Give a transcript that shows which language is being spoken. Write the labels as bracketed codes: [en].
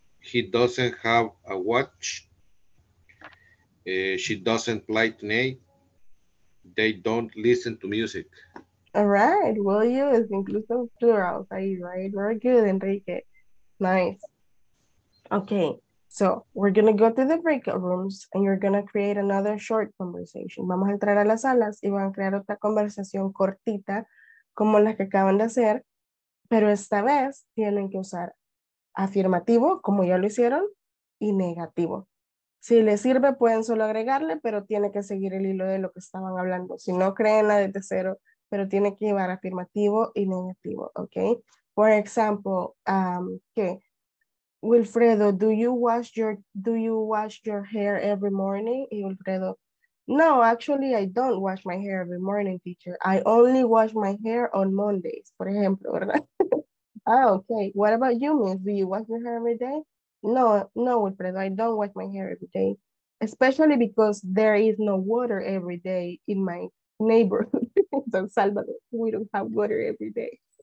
[en] He doesn't have a watch. She doesn't play tonight. They don't listen to music. All right, well, you is inclusive plural, right? Very good, Enrique. Nice. Okay, so we're going to go to the breakout rooms and you're going to create another short conversation. [es] Vamos a entrar a las salas y van a crear otra conversación cortita como las que acaban de hacer, pero esta vez tienen que usar afirmativo, como ya lo hicieron, y negativo. Si les sirve, pueden solo agregarle, pero tiene que seguir el hilo de lo que estaban hablando. Si no, créenla desde cero. Pero tiene que llevar afirmativo y negativo, ¿ok? [en] For example, [es] ¿qué? [en] Wilfredo, do you wash your hair every morning? [es] Y [en] Wilfredo, no, actually, I don't wash my hair every morning, teacher. I only wash my hair on Mondays, [es] por ejemplo, ¿verdad? [en] Ah, ok. What about you, miss? Do you wash your hair every day? No, Wilfredo, I don't wash my hair every day. Especially because there is no water every day in my neighborhood. San Salvador, we don't have water every day.